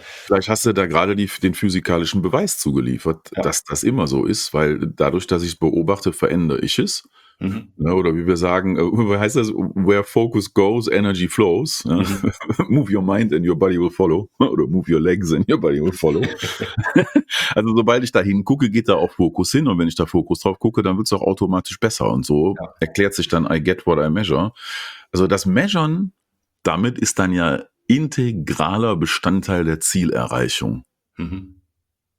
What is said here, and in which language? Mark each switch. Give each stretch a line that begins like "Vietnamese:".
German: Vielleicht hast du da gerade den physikalischen Beweis zugeliefert, dass das immer so ist, weil dadurch, dass ich es beobachte, verändere ich es. Mhm. Oder wie wir sagen, wie heißt das?
English: Where focus goes, energy flows. Mhm. Move your mind and your body will follow.
German: Oder
English: move your legs and your body will follow.
German: Also sobald ich da hingucke, geht da auch Fokus hin. Und wenn ich da Fokus drauf gucke, dann wird es auch automatisch besser. Und so erklärt sich dann
English: I get what I measure.
German: Also das Measuren, damit ist dann ja integraler Bestandteil der Zielerreichung. Mhm.